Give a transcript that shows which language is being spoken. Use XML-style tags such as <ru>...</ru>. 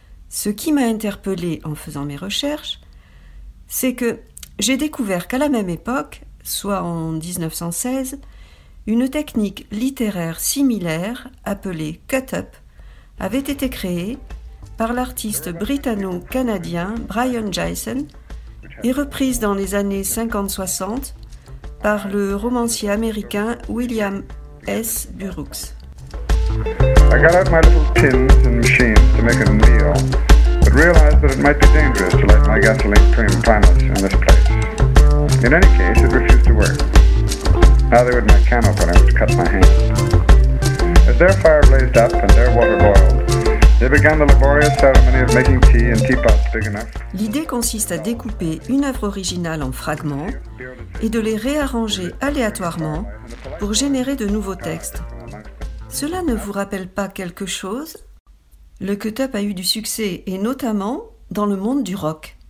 <fr>Ce qui m'a interpellée en faisant mes recherches, c'est que j'ai découvert qu'à la même époque, soit en 1916, une technique littéraire similaire, appelée cut-up, avait été créée par l'artiste britanno-canadien Brian Jison et reprise dans les années 50-60 par le romancier américain William S. Burroughs.</fr> <en>I got out my little tins and machines to make a meal, but realized that it might be dangerous to let my gasoline train planets in this place. In any case, it refused to work. Neither would my candle when I would cut my hand. As their fire blazed up and their water boiled, they began the laborious ceremony of making tea in teapots big enough.</en> <fr>L'idée consiste à découper une œuvre originale en fragments et de les réarranger aléatoirement pour générer de nouveaux textes. Cela ne vous rappelle pas quelque chose? Le cut-up a eu du succès, et notamment dans le monde du rock.</fr>